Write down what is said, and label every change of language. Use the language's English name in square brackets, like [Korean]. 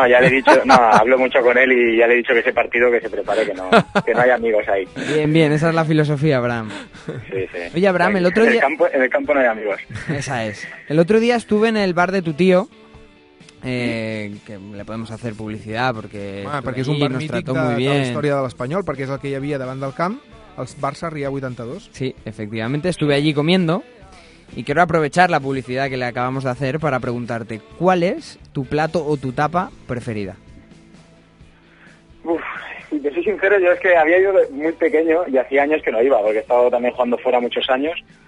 [Spanish] No, ya le he dicho, no, hablo mucho con él y ya le he dicho que ese partido que se prepare, que no hay amigos ahí. Bien, bien, esa es la filosofía, Abraham. Sí, sí. Oye, Abraham, el otro día... En el campo no hay amigos. Esa es. El otro día estuve en el bar de tu tío, que le podemos hacer publicidad porque es un bar mítico de la historia de l'Espanyol, [Catalan] perquè és el que hi havia davant del camp. El Barça Ria 82. [Spanish] Sí, efectivamente, estuve allí comiendo y quiero aprovechar la publicidad que le acabamos de hacer para preguntarte, ¿cuál es tu plato o tu tapa preferida? Uf, te soy sincero, yo es que había ido muy pequeño y hacía años que no iba, porque he estado también jugando fuera muchos años.